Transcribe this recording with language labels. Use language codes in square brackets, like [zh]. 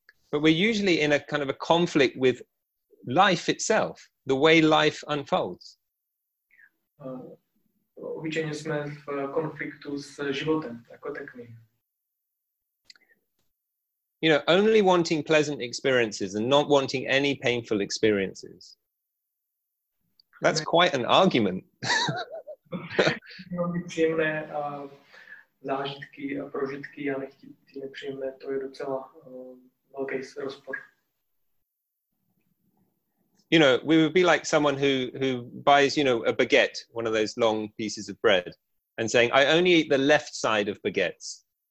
[en] But we're usually in a kind of a conflict with life itself, the way life unfolds. [cs] Obyčejně jsme v konfliktu s životem, jako takový. [en] You know, only wanting pleasant experiences and not wanting any painful experiences. That's quite an argument. [cs] Nepříjemné zážitky a prožitky a nechtít nepříjemné, to je docela velký rozpor. [en] You know, we would be like someone who buys, you know, a baguette, one of those long pieces of bread, and saying, I only eat the left side of baguettes.